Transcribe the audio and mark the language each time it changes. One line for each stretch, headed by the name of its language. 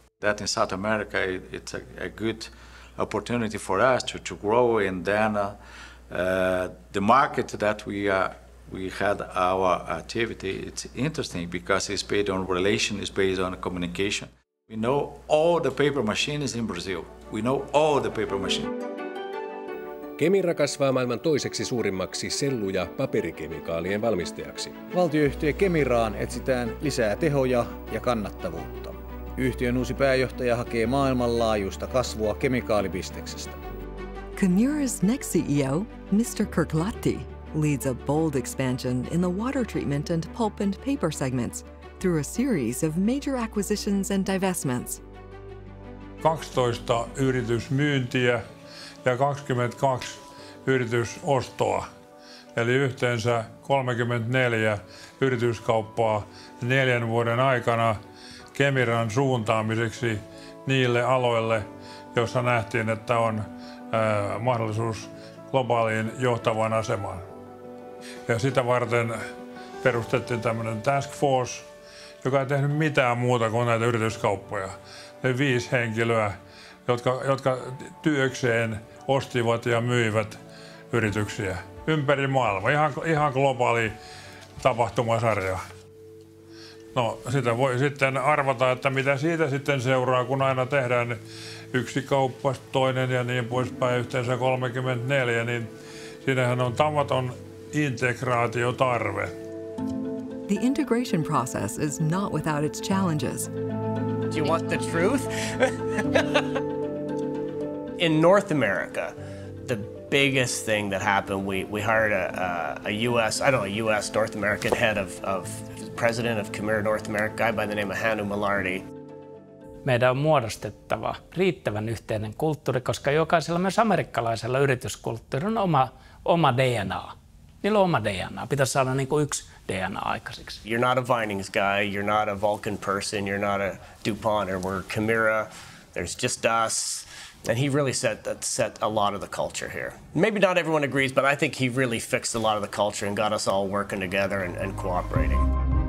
English: That in South America, it's a good opportunity for us to grow and then the market that we had our activity, it's interesting because it's based on relation, it's based on communication. We know all the paper machines in Brazil. We know all the paper machines.
Finnish: Kemira kasvaa maailman toiseksi suurimmaksi sellu- ja paperikemikaalien valmistajaksi. Valtioyhtiö Kemiraan etsitään lisää tehoja ja kannattavuutta. Yhtiön uusi pääjohtaja hakee maailmanlaajuista kasvua kemikaalibisneksestä.
English: Kemira's next CEO, Mr. Kirklati, leads a bold expansion in the water treatment and pulp and paper segments through a series of major acquisitions and divestments.
Finnish: 12 yritysmyyntiä ja 22 yritysostoa, eli yhteensä 34 yrityskauppaa 4 vuoden aikana Kemiran suuntaamiseksi niille aloille, joissa nähtiin, että on mahdollisuus globaaliin johtavaan asemaan. Ja sitä varten perustettiin tämmöinen task force, joka ei tehnyt mitään muuta kuin näitä yrityskauppoja. Ne 5 henkilöä, jotka työkseen ostivat ja myivät yrityksiä ympäri maailmaa. Ihan globaali tapahtumasarja. No, sitä voi sitten arvata, että mitä siitä sitten seuraa, kun aina tehdään yksi kauppa, toinen ja niin poispäin, yhteensä 34, niin siinähän on tavaton integraatiotarve.
English: The integration process is not without its challenges. Do you want the truth? In North America, the biggest thing that happened, we hired a U.S. North American head of president of Kemira North America, guy by the name of Hannu Malardi.
Finnish: Meidän on muodostettava riittävän yhteinen kulttuuri, koska jokaisella myös amerikkalaisella yrityskulttuuri on oma DNA. Niillä on oma DNA. Pitäisi saada niin kuin yksi DNA aikaiseksi.
English: You're not a Vinings guy, you're not a Vulcan person, you're not a DuPont, or we're Kemira, there's just us. And he really set a lot of the culture here. Maybe not everyone agrees, but I think he really fixed a lot of the culture and got us all working together and cooperating.